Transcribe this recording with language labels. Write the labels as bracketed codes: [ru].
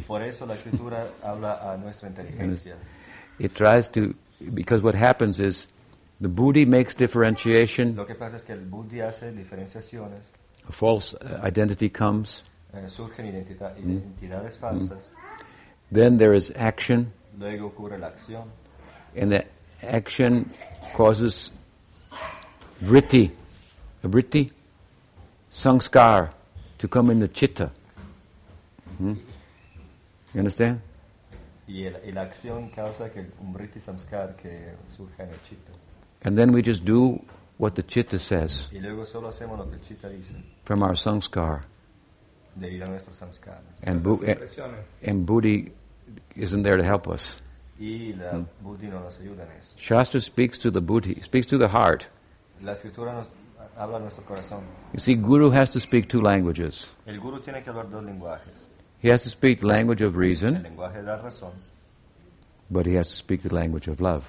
[es] Por eso la escritura habla a nuestra inteligencia. [en] It tries to, because what happens is the buddhi makes differentiation. [es] Lo que pasa es que el buddhi hace diferenciaciones. [en] A false identity comes. [es] Surgen identidades falsas. [en] Then there is action. [es] Luego ocurre la acción. [en] And the action causes vritti. A vritti? Sanskar. To come in the chitta. You understand? [es] Y la acción causa que un vritti sanskar que surja en el chitta. [en] And then we just do what the chitta says. [es] Y luego solo hacemos lo que el chitta dice. [en] From our sanskar. [es] Debido a nuestros sanskar. [en] And buddhi isn't there to help us. [es] Y la buddhi no nos ayuda en eso. [en] Shastra speaks to the buddhi, speaks to the heart. [es] La escritura nos habla a nuestro corazón. [en] You see, guru has to speak two languages. [es] El guru tiene que hablar dos lenguajes. [en] He has to speak the language of reason. [es] El lenguaje de la razón. [en] But he has to speak the language of love.